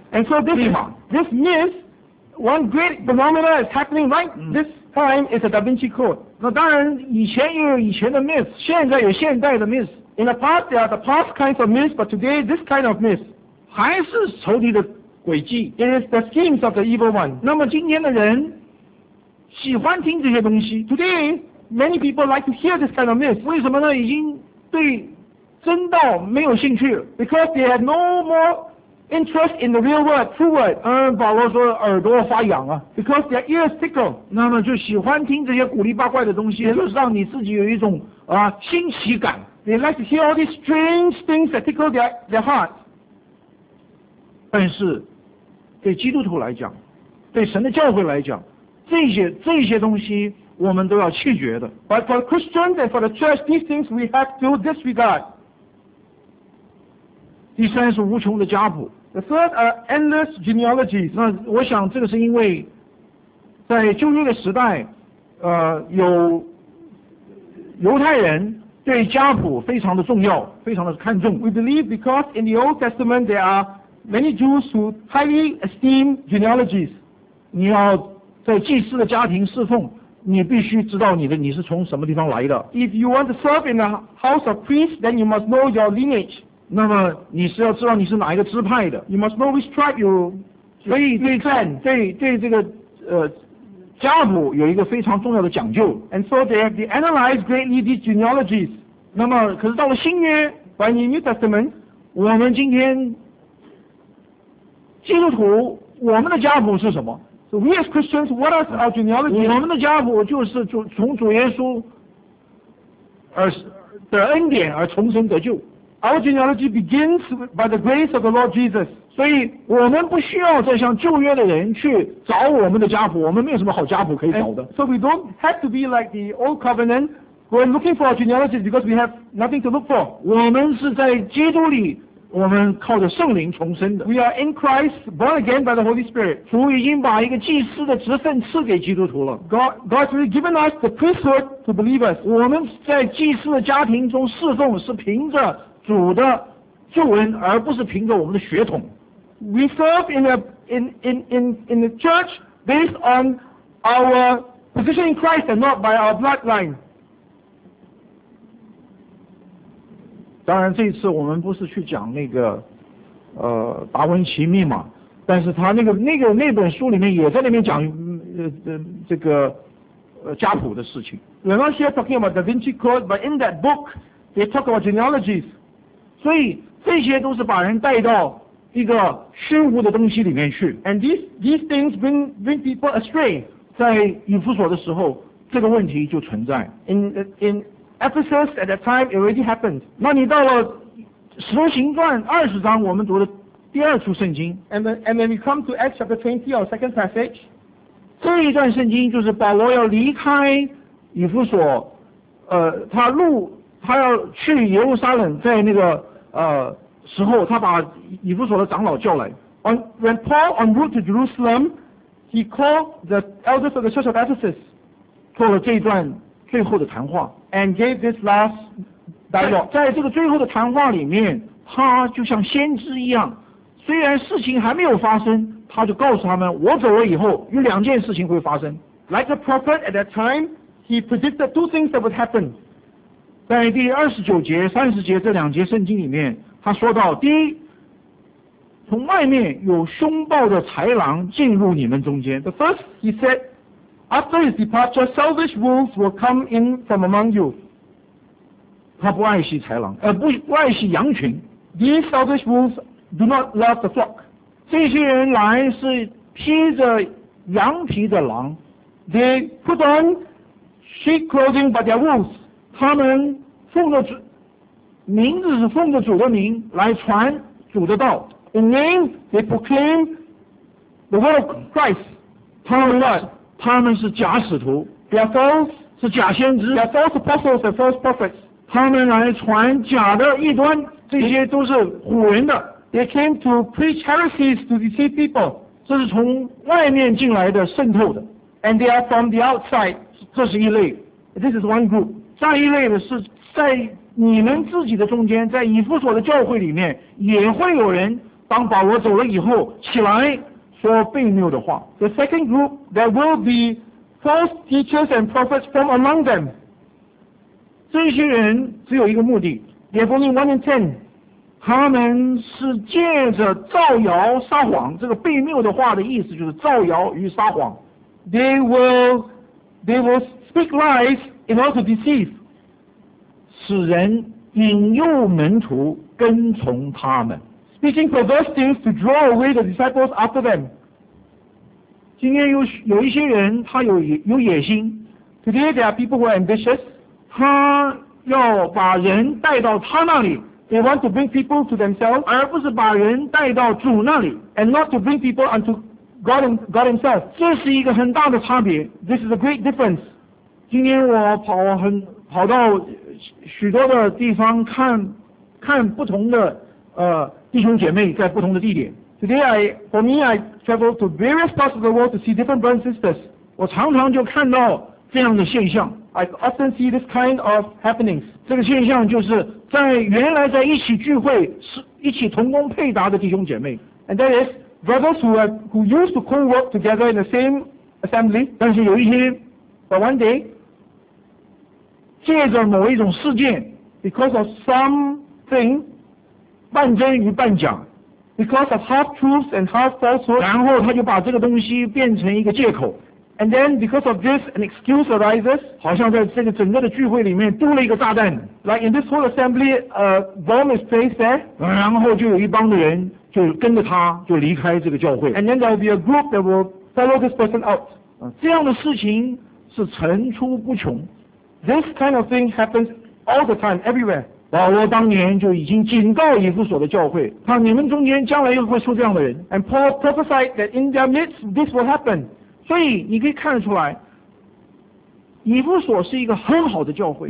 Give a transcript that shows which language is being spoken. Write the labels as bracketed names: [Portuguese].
[English] And so this myth, one great phenomenon is happening right this time is the Da Vinci Code. [Chinese] 那当然以前也有以前的 myth, 现在有现代的 myth. [English] In the past, there are the past kinds of myths, but today, this kind of myth. [Chinese] 还是仇敌的诡计。 [English] It is the schemes of the evil one. [Chinese] 那么今天的人喜欢听这些东西。 [English] Today, many people like to hear this kind of myth. [Chinese] 为什么呢？已经对真道没有兴趣 [English] ，because they had no more interest in the real word, true word. [Chinese] 保罗说耳朵发痒啊 [English] ，because their ears tickle. [Chinese] 那么就喜欢听这些古里八怪的东西，就是让你自己有一种新奇感。 [English] They like to hear all these strange things that tickle their heart. [Chinese] 但是对基督徒来讲，对神的教会来讲，这些东西。我们都要弃绝的。 [English] But for Christians and for the church, these things we have to disregard. [Chinese] 第三是无穷的家谱。 [English] The third are endless genealogies. [Chinese] 那我想这个是因为，在旧约的时代，有犹太人对家谱非常的重要，非常的看重。 [English] We believe because in the Old Testament there are many Jews who highly esteem genealogies. [Chinese] 你要在祭司的家庭侍奉。你必须知道你是从什么地方来的。 [English] If you want to serve in the house of priests, then you must know your lineage. [Chinese] 那么你是要知道你是哪一个支派的。 [English] You must know which tribe you. [Chinese] 所以对这个家谱有一个非常重要的讲究。 [English] And so they analyze greatly these genealogies. [Chinese] 那么可是到了新约 [English] ，by the New Testament， [Chinese] 我们今天基督徒我们的家谱是什么？ [English] So we as Christians, what are our genealogies? [Chinese] 我们的家谱就是从主耶稣的恩典而重生得救。 [English] Our genealogy begins by the grace of the Lord Jesus. [Chinese] 所以我们不需要再向旧约的人去找我们的家谱，我们没有什么好家谱可以找的。 [English] So we don't have to be like the old covenant going looking for genealogies because we have nothing to look for. [Chinese] 我们是在基督里，我们靠着圣灵重生的。 [English] We are in Christ, born again by the Holy Spirit. [Chinese] 主已经把一个祭司的职分赐给基督徒了。 [English] God has given us the priesthood to believers. [Chinese] 我们在祭司的家庭中侍奉是凭着主的救恩，而不是凭着我们的血统。 [English] We serve in the church based on our position in Christ and not by our bloodline. [Chinese] 当然，这次我们不是去讲那个，达文奇密码，但是他那本书里面也在那边讲，这个，家谱的事情。 [English] We're not here talking about Da Vinci Code, but in that book, they talk about genealogies. [Chinese] 所以这些都是把人带到一个虚无的东西里面去。 [English] And these things bring people astray. [Chinese] 在以弗所的时候，这个问题就存在。 [English] In Ephesus at that time, it already happened. [Chinese] 那你到了《使徒行传》二十章，我们读的第二处圣经。 [English] And then we come to Acts chapter 20, our second passage. [Chinese] 这一段圣经就是保罗要离开以弗所，他要去耶路撒冷，在那个时候他把以弗所的长老叫来。 [English] When Paul en route to Jerusalem, he called the elders of the church of Ephesus, [Chinese] 做了这一段最后的谈话。 [English] And gave this last dialogue. [Chinese] 在这个最后的谈话里面，他就像先知一样，虽然事情还没有发生，他就告诉他们，我走了以后有两件事情会发生。 [English] Like a prophet at that time, he predicted two things that would happen. [Chinese] 在第二十九节、三十节这两节圣经里面，他说到：第一，从外面有凶暴的豺狼进入你们中间。 [English] The first, he said, after his departure, selfish wolves will come in from among you. [Chinese] 他不爱惜豺狼，不爱惜羊群。 [English] These selfish wolves do not love the flock. [Chinese] 这些人来是披着羊皮的狼。 [English] They put on sheep clothing, but they are wolves. [Chinese] 他们奉着主名字是奉着主的名来传主的道。 [English] In name they proclaim the word of Christ. [Chinese] 他们是假使徒。 [English] They are false, [Chinese] 是假先知。 [English] They are false apostles and false prophets. [Chinese] 他们来传假的异端，这些都是唬人的。 [English] They came to preach heresies to deceive people. [Chinese] 这是从外面进来的渗透的。 [English] And they are from the outside. [Chinese] 这是一类。 [English] This is one group. [Chinese] 再一类的是在你们自己的中间，在以弗所的教会里面也会有人当保罗走了以后起来说悖谬的话。 [English] The second group, there will be false teachers and prophets from among them. [Chinese] 这些人只有一个目的。 [English] They have only one intent. [Chinese] 他们是借着造谣撒谎，这个悖谬的话的意思就是造谣与撒谎。 [English] They will speak lies in order to deceive, [Chinese] 使人引诱门徒跟从他们。 [English] Speaking perverse things to draw away the disciples after them. [Chinese] 今天有一些人他有野心。 [English] Today there are people who are ambitious. [Chinese] 他要把人带到他那里。 [English] They want to bring people to themselves. [Chinese] 而不是把人带到主那里。 [English] And not to bring people unto God himself. [Chinese] 这是一个很大的差别。 [English] This is a great difference. [Chinese] 今天我跑到许多的地方看不同的弟兄姐妹在不同的地点。 [English] Today for me I travel to various parts of the world to see different brothers and sisters. [Chinese] 我常常就看到这样的现象。 [English] I often see this kind of happenings. [Chinese] 这个现象就是在原来在一起聚会一起同工配搭的弟兄姐妹。 [English] And that is brothers who used to co-work together in the same assembly. [Chinese] 但是有一天 [English] But one day, [Chinese] 借着某一种事件 [English] ，because of something, [Chinese] 半真与半假 [English] ，because of half truths and half falsehoods, [Chinese] 然后他就把这个东西变成一个借口 [English] ，and then because of this, an excuse arises, [Chinese] 好像在这个整个的聚会里面丢了一个炸弹 [English] ，like in this whole assembly, a bomb is placed there, [Chinese] 然后就有一帮的人就跟着他就离开这个教会 [English] ，and then there will be a group that will follow this person out, [Chinese] 这样的事情。是层出不穷。 [English] This kind of thing happens all the time, everywhere. [Chinese] 保罗当年就已经警告以弗所的教会，他你们中间将来又会出这样的人。 [English] And Paul prophesied that in their midst this will happen. [Chinese] 所以你可以看出来，以弗所是一个很好的教会。